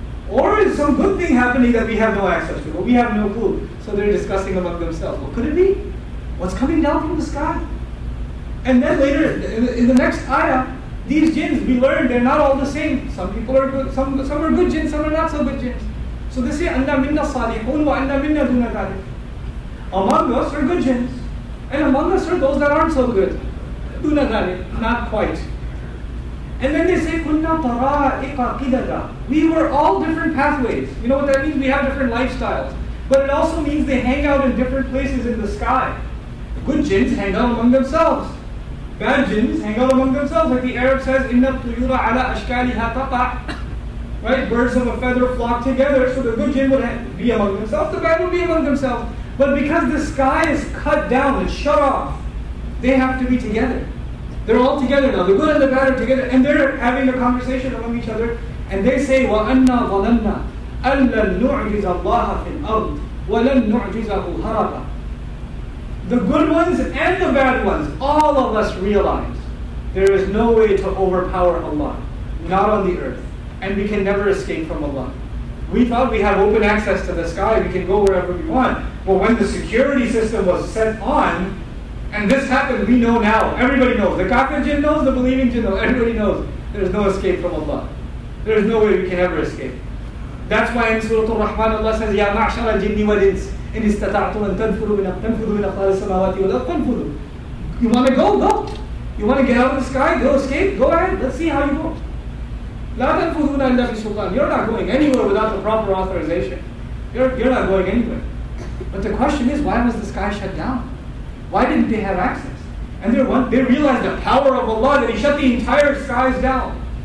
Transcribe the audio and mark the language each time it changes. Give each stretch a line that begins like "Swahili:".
English: Or is some good thing happening that we have no access to? Well, we have no clue. So they're discussing among themselves. What could it be? What's coming down from the sky? And then later, in the next ayah, these jinns, we learn, they're not all the same. Some people are good, some are good jinns, some are not so good jinns. So they say,
Arabic: أَنَّا مِنَّا صَالِحُونَ وَأَنَّا مِنَّا دُونَ ذَلِكَ.
English: Among us are good jinns, and among us are those that aren't so good.
Arabic: دُونَ ذَلِكَ,
English: not quite. And then they say,
Arabic: كُنَّا طَرَائِقَ قِدَدَ.
English: We were all different pathways. You know what that means? We have different lifestyles. But it also means they hang out in different places in the sky. Good jinns hang out among themselves. Bad jinns hang out among themselves. Like the Arab says,
Arabic: إِنَّا طُيُورَ عَلَى أَشْكَالِهَا تَقَعَ.
English: Right? Birds of a feather flock together, so the good jinn would be among themselves, the bad would be among themselves. But because the sky is cut down and shut off, they have to be together. They're all together now. The good and the bad are together, and they're having a conversation among each other. And they say,
Arabic: وَأَنَّا ظَلَمْنَا أَلَّا نُعْجِزَ اللَّهَ فِي الْأَرْضِ وَلَنْ نُعْجِزَهُ هَرَبًا.
English: The good ones and the bad ones, all of us realize there is no way to overpower Allah, not on the earth, and we can never escape from Allah. We thought we have open access to the sky, we can go wherever we want. But when the security system was set on, and this happened, we know now, everybody knows. The kafir jinn knows, the believing jinn knows, everybody knows. There is no escape from Allah. There is no way we can ever escape. That's why in Surah Al-Rahman, Allah says,
Arabic: يَا مَعْشَرَ الْجِنِّ وَالْإِنْسِ إِنِ اسْتَطَعْتُمْ أَنْ تَنْفُرُوا مِنْ أَقْطَارِ السَّمَاوَاتِ وَالْأَرْضِ فَانْفُرُوا.
English: You want to go? Go. You want to get out of the sky? Go escape? Go ahead. Let's see how you go.
Arabic: لَا تَنْفُرُونَ إِلَّا بِسُلْطَانٍ.
English: You're not going anywhere without the proper authorization. You're not going anywhere. But the question is, why was the sky shut down? Why didn't they have access? And they realized the power of Allah that He shut the entire skies down.